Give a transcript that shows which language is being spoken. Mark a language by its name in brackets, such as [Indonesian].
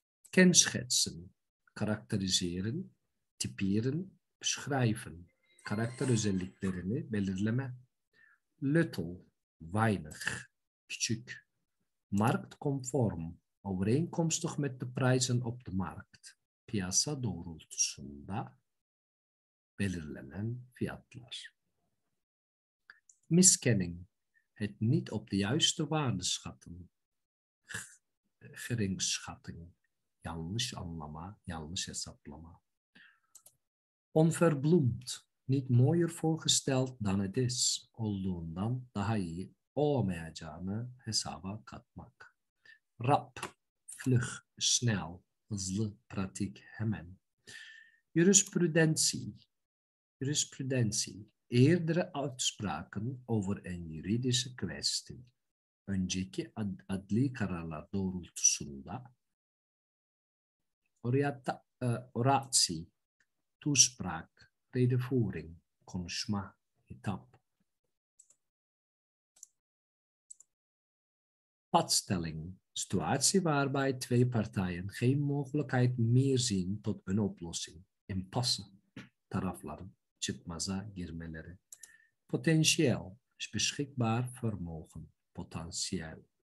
[Dutch] Kenschetsen, karakteriseren, typeren, beschrijven, [Turkish] karakterözelliklerini belirleme. [Dutch] Little, weinig, küçük. Marktconform, overeenkomstig met de prijzen op de markt. [Turkish] Piyasa doğrultusunda belirlenen fiyatlar. [Dutch] Miskenning, het niet op de juiste waarde schatten. [Turkish] Geringschatting, yanlış anlama, yanlış hesaplama. [Dutch] Onverbloemd, niet mooier voorgesteld dan het is, [Turkish] olduğundan daha iyi olmayacağını hesaba katmak. [Dutch] Rap, vlug, snel, [Turkish] hızlı, pratik, hemen. [Dutch] Jurisprudentie, eerdere uitspraken over een juridische kwestie. [Turkish] Önceki adli kararlar doğrultusunda. [Dutch] Oratie, toespraak, redevoering, [Turkish] konuşma, hitap. [Dutch] Padstelling, situatie waarbij twee partijen geen mogelijkheid meer zien tot een oplossing. [Turkish] Impasse, tarafların, çıkmaza girmeleri. [Dutch] Potentieel, beschikbaar vermogen, potentieel.